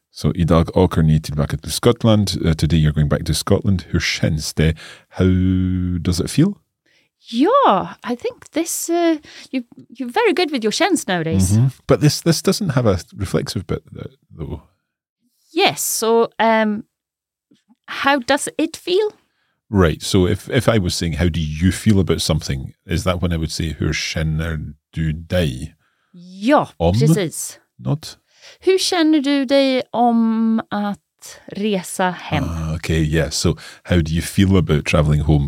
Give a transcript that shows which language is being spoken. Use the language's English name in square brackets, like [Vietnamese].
[Swedish] So idag åker ni tillbaka till Skottland. [English] Today you're going back to Scotland. [Swedish] Hur känns det? [English] How does it feel? Yeah, I think this, you're very good with your känns nowadays. Mm-hmm. But this doesn't have a reflexive bit though. Yes, so how does it feel? Right, so if I was saying, how do you feel about something, is that when I would say, [Swedish] hur känner du dig? Ja, precis. [English] Not? [Swedish] Hur känner du dig om att resa hem? [English] Okay, yeah, so how do you feel about traveling home?